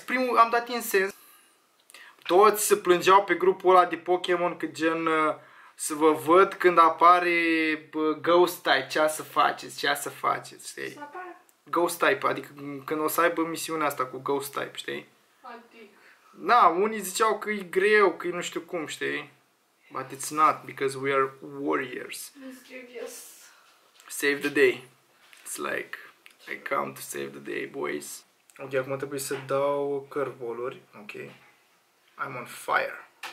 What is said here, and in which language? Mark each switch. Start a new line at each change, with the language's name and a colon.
Romanian: Primul, am dat incense. Toți se plângeau pe grupul ăla de Pokémon că gen... Să vă văd când apare Ghost-type, ce să faceți, știi? Ghost-type, adică când o să aibă misiunea asta cu Ghost-type, știi? Adică... Na, unii ziceau că e greu, că e nu știu cum, știi?
English: But it's not, because we are warriors. Mischievous. Save the day. It's like, I come to save the day, boys.
Romanian: Ok, acum trebuie să dau curveball-uri, ok?
English: I'm on fire.